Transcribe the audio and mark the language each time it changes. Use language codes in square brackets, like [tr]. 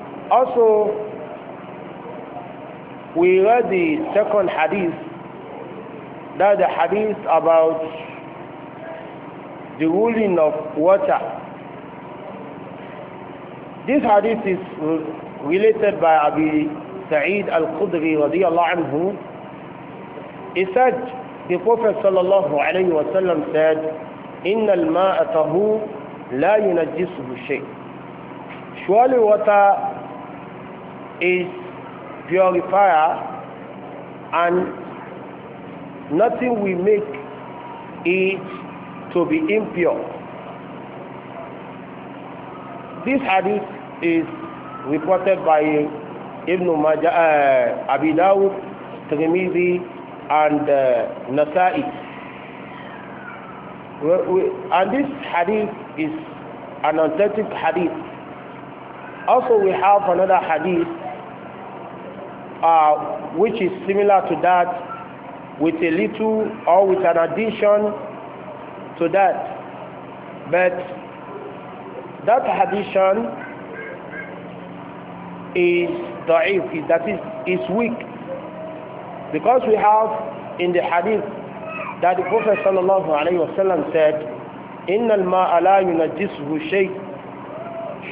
[en] Also, we read the second hadith, that the hadith about the ruling of water. This hadith is related by Abi Sa'id al-Khudri radiallahu anhu. He said, the Prophet sallallahu alayhi wa sallam said, [ar] إِنَّ الْمَاءَ تَهُورُ لَا يُنَجِّسُهُ شَيْءٍ. [en] Surely water is purifier, and nothing will make it to be impure. This hadith is reported by Ibn Majah, Abi Dawud, Tirmidhi, and Nasa'i. And this hadith is an authentic hadith. Also, we have another hadith which is similar to that, with a little or with an addition to that. But that addition is da'if, that is weak. Because we have in the hadith that the Prophet sallallahu alayhi wasallam said, [ar] إِنَّ الْمَاءَ لَا يُنَجِّسُهُ شَيْءٍ.